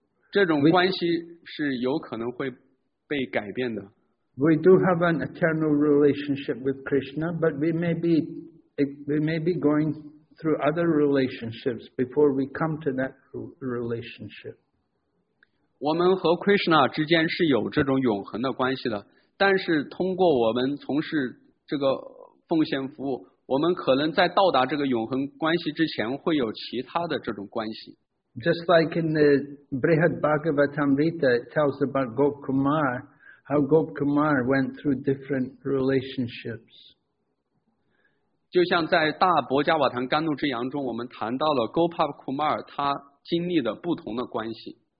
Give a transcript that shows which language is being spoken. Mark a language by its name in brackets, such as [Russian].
[Chinese] 这种关系是有可能会被改变的。 [English] We do have an eternal relationship with Krishna, but we may be going through other relationships before we come to that relationship. [Chinese] 我们和 Krishna 之间是有这种永恒的关系的，但是通过我们从事这个奉献服务，我们可能在到达这个永恒关系之前会有其他的这种关系。 [English] Just like in the Brihad Bhagavatamrita, it tells about Gop Kumar, how Gop Kumar went through different relationships. [Chinese] 就像在《大伯加瓦坦甘露之洋》中，我们谈到了 Gopal Kumar 他经历的不同的关系。